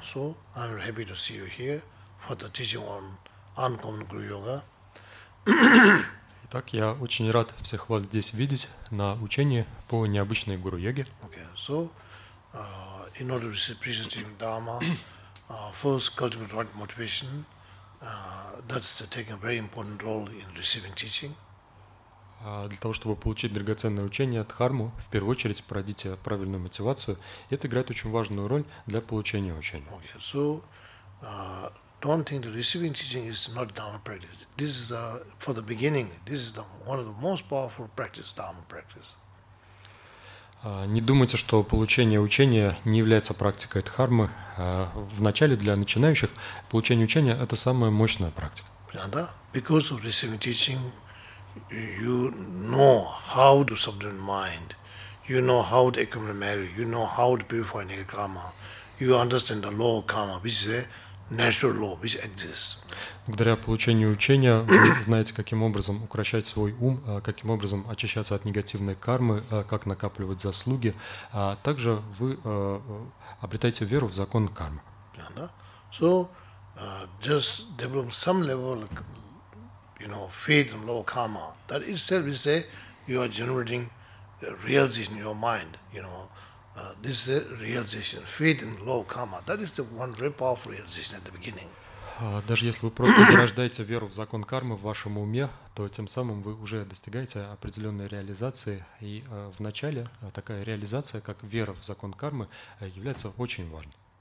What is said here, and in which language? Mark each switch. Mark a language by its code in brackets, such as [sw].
[en] So I'm happy to see you here for the teaching on Uncommon Guru Yoga. [ru] Итак, я очень рад всех вас здесь видеть на учении по необычной гуру-йоге. [en] Okay, so in order to present Dharma, first cultivate right motivation. That's taking a very important role in receiving teaching. [ru] Для того, чтобы получить драгоценное учение от Дхарму, в первую очередь пройдите правильную мотивацию. Это играет очень важную роль для получения учения. [en] Okay, so don't think that receiving teaching is not Dharma practice. This is for the beginning. This is one of the most powerful practice, Dharma practice. [ru] Не думайте, что получение учения не является практикой Дхармы. Вначале для начинающих получение учения – это самая мощная практика. Да, [en] because of receiving teaching, you know how to subdue mind, you know how to accumulate merit, you know how to purify negative karma, you understand the law of karma, which is a natural law, which exists. [ru] Благодаря получению учения вы знаете, каким образом укращать свой ум, каким образом очищаться от негативной кармы, как накапливать заслуги. Также вы обретаете веру в закон кармы. [en] So, just develop some level of, you know, faith in law of karma. That itself is you are generating realization in your mind. You know, this is a realization, faith in law of karma. That is the one very powerful realization at the beginning. [ru] Даже если вы просто зарождаете веру в закон кармы в вашем уме, то тем самым вы уже достигаете определенной реализации. И вначале такая реализация, как вера в закон кармы, является очень важной.